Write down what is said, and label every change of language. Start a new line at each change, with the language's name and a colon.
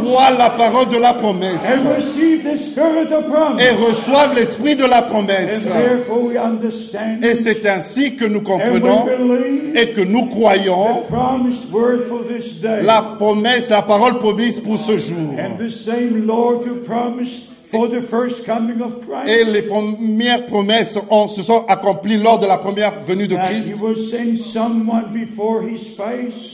French: croient la parole de la promesse,
English: and receive the spirit of promise,
French: et reçoivent l'esprit de la promesse.
English: And therefore we understand,
French: et c'est ainsi que nous comprenons
English: and we believe,
French: et que nous croyons.
English: The promised word for this day.
French: La promesse, la parole promise pour ce jour.
English: And the same Lord who promised for the first coming of Christ.
French: Et les premières promesses se sont accomplies lors de la première venue de Christ.
English: That he would send someone before his face.